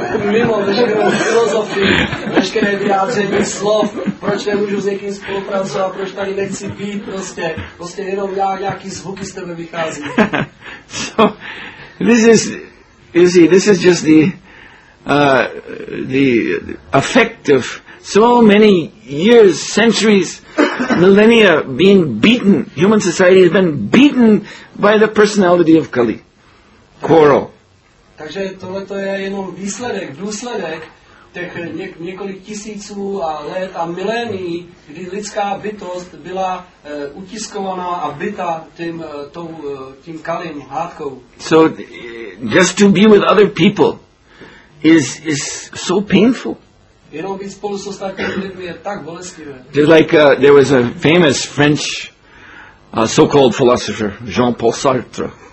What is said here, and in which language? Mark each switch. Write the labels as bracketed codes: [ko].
[cs] Mimo veškerou filozofii, veškeré vyjádření slov, proč nemůžu s někým spolupracovat, proč tady nechci být, prostě jenom nějaký zvuky z tebe vychází. [en] So, this is, you see, this is just the effect of so many years, centuries, millennia being beaten. Human society has been beaten by the personality of Kali. Quarrel. [cs] Takže tohle to je jenom výsledek, důsledek těch několik tisíců a let a milénií, kdy lidská bytost byla utiskovaná a bita tím kalým hádkou. [en] So just to be with other people is so painful. [cs] Jenom být spolu s ostatními lidmi je tak bolestivé. [en] Just like there was a famous French so-called philosopher Jean-Paul Sartre.